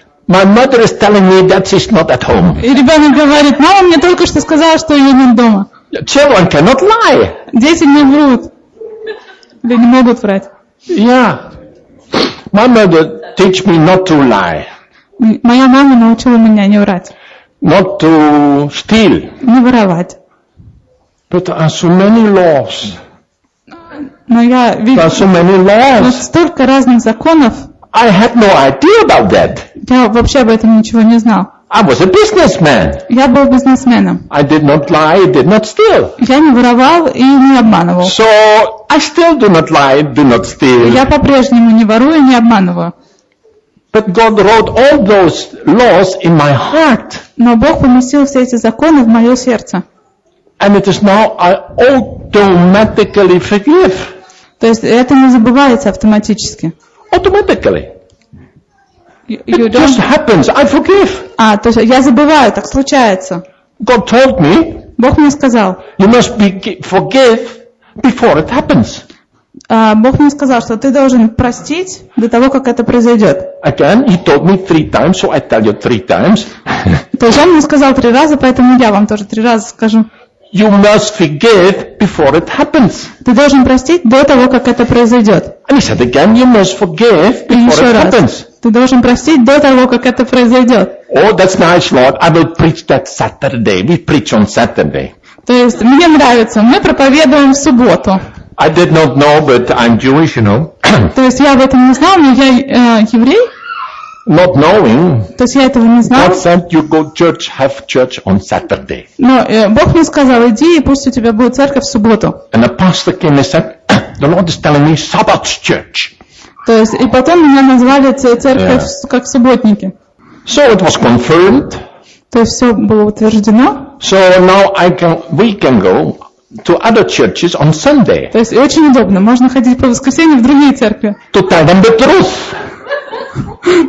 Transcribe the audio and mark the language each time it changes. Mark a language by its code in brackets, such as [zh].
[en] My mother is telling me that she's not at home. [ru] И ребенок говорит, мама мне только что сказала, что ее нет дома. [en] Children cannot lie. [ru] Дети не врут. Да не могут врать. [en] Yeah. My mother teach me not to lie. [ru] Моя мама научила меня не врать. [en] Not to steal. [ru] Не воровать. [en] But there are so many laws. [ru] Но я видел. [en] There are so many laws. [ru] Но столько разных законов. [en] I had no idea about that. [ru] Я вообще об этом ничего не знал. [en] I was a businessman. [ru] Я был бизнесменом. [en] I did not lie, did not steal. [ru] Я не воровал и не обманывал. [en] So I still do not lie, do not steal. [ru] Я по-прежнему не ворую и не обманываю. [en] But God wrote all those laws in my heart. [ru] Но Бог поместил все эти законы в мое сердце. [en] And it is now I automatically forgive. [ru] То есть это не забывается автоматически. [en] Automatically. You it just happens. I forgive. [ru] А, то есть я забываю, так случается. [en] God told me. [ru] Бог мне сказал. [en] You must forgive before it happens. [ru] Бог мне сказал, что ты должен простить до того, как это произойдет. [en] Again, he told me three times, so I tell you three times. [ru] То есть он мне сказал три раза, поэтому я вам тоже три раза скажу. [en] You must forgive before it happens. [ru] Ты должен простить до того, как это произойдет. [en] And he said again, you must forgive before it happens. [ru] Ты должен простить до того, как это произойдет. [en] Oh, that's nice, Lord. I will preach that Saturday. We preach on Saturday. [ru] То есть мне нравится. Мы проповедуем в субботу. [en] I did not know, but I'm Jewish, you know. [ru] То есть я об этом не знал, но я еврей. [en] Not knowing. [ru] То есть я этого не знал. [en] God said you go church, have church on Saturday. [ru] Но Бог мне сказал, иди и пусть у тебя будет церковь в субботу. [en] And the pastor came and said, the Lord is telling me Sabbath church. [ru] То есть и потом меня назвали церковь yeah. как субботники. [en] So it was confirmed. [ru] То есть все было утверждено. [en] So now we can go. To other churches on Sunday. [ru] То есть очень удобно, можно ходить по воскресеньям в другие церкви. [en] To tell them the truth.